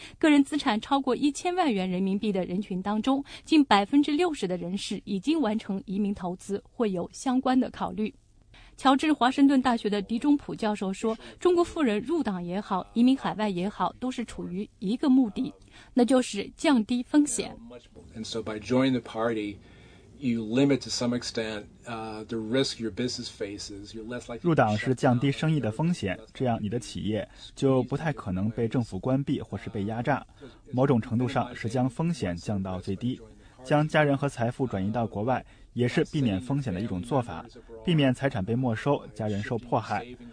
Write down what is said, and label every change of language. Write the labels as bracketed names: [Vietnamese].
[Chinese] 个人资产超过1000万元人民币的人群当中，近60%的人士已经完成移民投资，会有相关的考虑。乔治华盛顿大学的狄中普教授说，中国富人入党也好，移民海外也好，都是处于一个目的，那就是降低风险。 [English] And so by joining the party, you limit to some extent the risk your business faces. You're less likely [Chinese] 入党是降低生意的风险，这样你的企业就不太可能被政府关闭或是被压榨。某种程度上是将风险降到最低，将家人和财富转移到国外，也是避免风险的一种做法，避免财产被没收，家人受迫害。